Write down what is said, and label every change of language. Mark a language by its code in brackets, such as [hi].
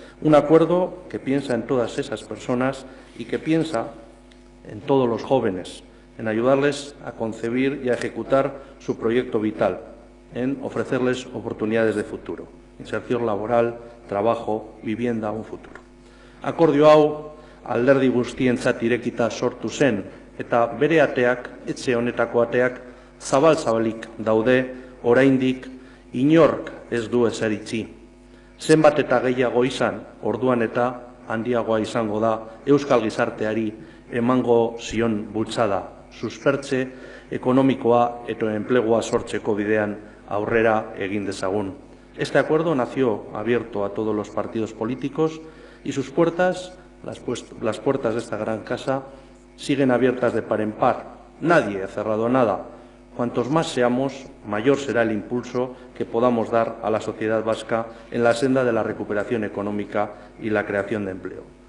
[es] Un acuerdo que piensa en todas esas personas y que piensa en todos los jóvenes, en ayudarles a concebir y a ejecutar su proyecto vital, en ofrecerles oportunidades de futuro, inserción laboral, trabajo, vivienda, un futuro. [eu] Akordio hau, alderdi guztientzat irekita sortu zen, eta bere ateak, etxe honetako ateak, zabal-zabalik daude, oraindik, inork ez du ezer itxi. Zenbat eta gehiago izan, orduan eta handiagoa izango da, euskal gizarteari emango zion bultzada, suspertze ekonomikoa eta enplegua sortzeko bidean aurrera egin dezagun. [es] Este acuerdo nació abierto a todos los partidos políticos y sus puertas, las puertas de esta gran casa, siguen abiertas de par en par. Nadie ha cerrado nada. Cuantos más seamos, mayor será el impulso que podamos dar a la sociedad vasca en la senda de la recuperación económica y la creación de empleo.